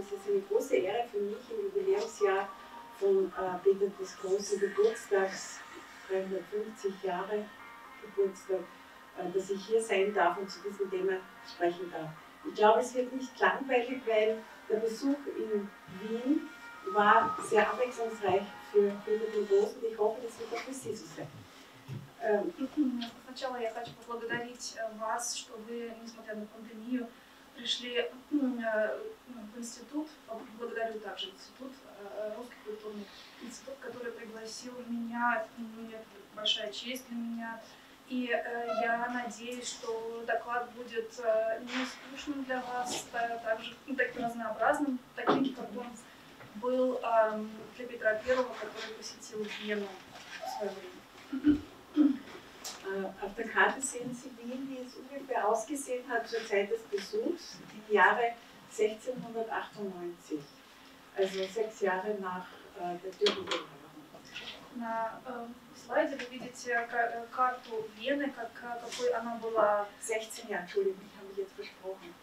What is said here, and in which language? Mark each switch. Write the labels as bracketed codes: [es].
[de] Es ist eine große Ehre für mich im Jubiläumsjahr von Peter des Großen Geburtstags, 350 Jahre Geburtstag, dass ich hier sein darf und zu diesem Thema sprechen darf. Ich glaube, es wird nicht langweilig, weil der Besuch in Wien war sehr abwechslungsreich für Peter den Großen. Ich hoffe, das wird auch für Sie so sein. [ru] Сначала я хочу поблагодарить вас, что вы, несмотря на пандемию, пришли в институт. Благодарю также институт, Русский культурный институт, который пригласил меня. Это большая честь для меня. И я надеюсь, что доклад будет не скучным для вас, а также таким разнообразным, таким, как он был для Петра Первого, который посетил Вену в свое время. [de] Auf der Karte sehen Sie Wien, wie es ungefähr ausgesehen hat zur Zeit des Besuchs, im Jahre 1698, also sechs Jahre nach der Türkenbewegung. [ru] На слайде вы видите карту Вены, какой она была. 16, я извиняюсь, я вам сейчас [de] versprochen.